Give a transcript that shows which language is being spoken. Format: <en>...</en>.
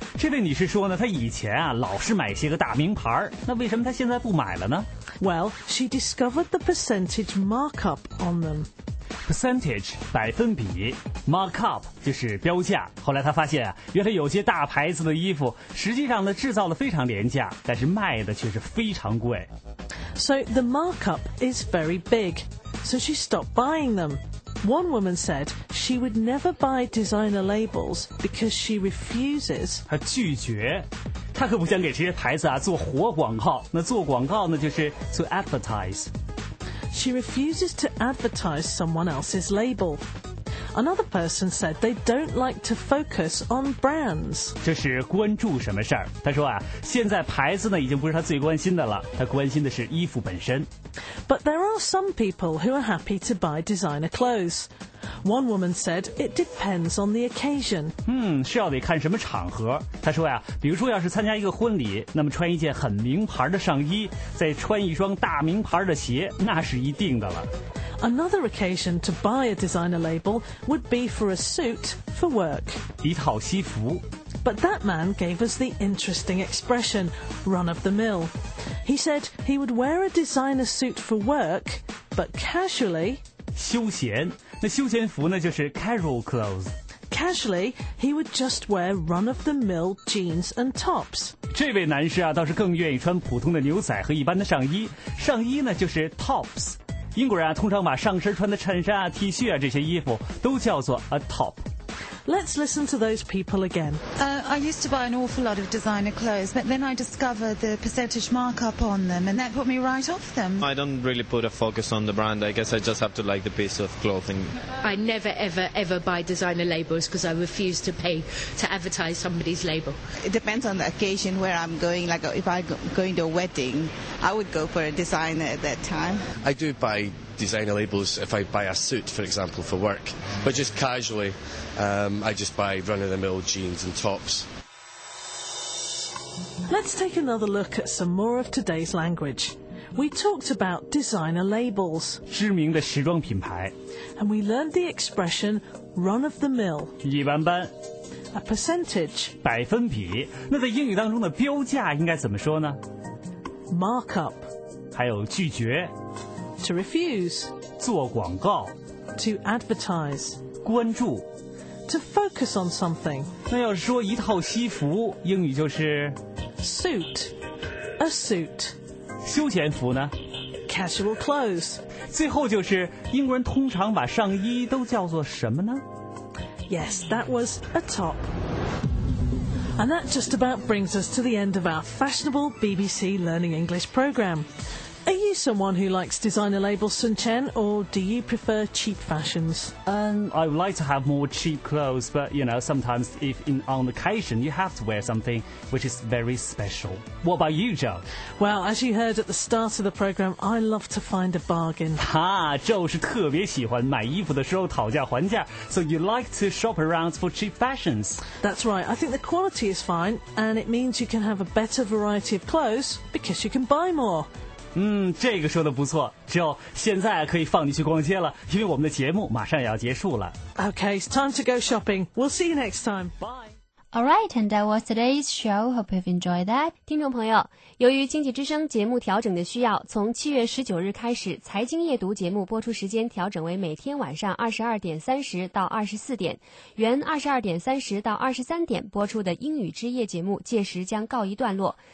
<zh>这位女士说呢她以前啊老是买些个大名牌那为什么她现在不买了呢</zh> <en>Well, she discovered the percentage markup on them.</en> <zh>Percentage, 百分比 ,markup, 就是标价。后来她发现啊，原来有些大牌子的衣服实际上呢制造的非常廉价，但是卖的却是非常贵。</zh> <en>So the markup is very big, so she stopped buying them. One woman said she would never buy designer labels because she refuses.</en> <zh>她拒绝。她可不想给这些牌子啊做活广告。那做广告呢就是 to advertise.</zh> <en>She refuses to advertise someone else's label. Another person said they don't like to focus on brands.</en> <zh>这是关注什么事儿？他说啊，现在牌子呢已经不是他最关心的了，他关心的是衣服本身。</zh> <en>But there are some people who are happy to buy designer clothes. One woman said it depends on the occasion.</en> <zh>是要得看什么场合。他说呀，比如说要是参加一个婚礼，那么穿一件很名牌的上衣，再穿一双大名牌的鞋，那是一定的了。</zh> <en>Another occasion to buy a designer label would be for a suit for work.</en> <zh>一套西服。</zh> <en>But that man gave us the interesting expression, run of the mill. He said he would wear a designer suit for work, but casually...</en> <zh>休闲。那休闲服呢就是 casual clothes.</zh> <en>Casually, he would just wear run of the mill jeans and tops.</en> <zh>这位男士啊倒是更愿意穿普通的牛仔和一般的上衣。上衣呢就是 tops. 英国人啊，通常把上身穿的衬衫啊、T 恤啊这些衣服都叫做 a top.</zh> <en>Let's listen to those people again. I used to buy an awful lot of designer clothes, but then I discovered the percentage markup on them, and that put me right off them. I don't really put a focus on the brand. I guess I just have to like the piece of clothing. I never, ever, ever buy designer labels because I refuse to pay to advertise somebody's label. It depends on the occasion where I'm going. Like if I'm going to a wedding, I would go for a designer at that time. I do buy... designer labels if I buy a suit, for example, for work. But just casually, I just buy run-of-the-mill jeans and tops. Let's take another look at some more of today's language. We talked about designer labels.</en> <zh>知名的时装品牌。</zh> <en>And we learned the expression run-of-the-mill.</en> <zh>一般般。</zh> <en>A percentage.</en> <zh>百分比。那在英语当中的标价应该怎么说呢？</zh> <en>Markup.</en> <zh>还有拒绝。</zh> <en>To refuse.</en> <zh>做广告。</zh> <en>To advertise.</en> <zh>关注。</zh> <en>To focus on something.</en> <zh>那要是说一套西服，英语就是</zh> <en>suit. A suit.</en> <zh>休闲服呢？</zh> <en>Casual clothes.</en> <zh>最后就是英国人通常把上衣都叫做什么呢？</zh> <en>Yes, that was a top. And that just about brings us to the end of our fashionable BBC Learning English program. Are you someone who likes designer labels, Sun Chen, or do you prefer cheap fashions? I would like to have more cheap clothes, but, you know, sometimes if on occasion you have to wear something which is very special. What about you, Joe? Well, as you heard at the start of the programme, I love to find a bargain. Ha!</en> <zh>Joe 是特别喜欢买衣服的时候讨价还价,</zh> <en>so you like to shop around for cheap fashions. That's right. I think the quality is fine, and it means you can have a better variety of clothes because you can buy more.</en> <zh>这个说的不错，只有现在可以放你去逛街了，因为我们的节目马上也要结束了。</zh> <en>Okay, it's time to go shopping. We'll see you next time. Bye. Alright, and that was today's show. Hope you've enjoyed that.</en> <zh>听众朋友，由于经济之声节目调整的需要，从7月19日开始，财经夜读节目播出时间调整为每天晚上22点30到24点，原22点30到23点播出的英语之夜节目届时将告一段落。</zh>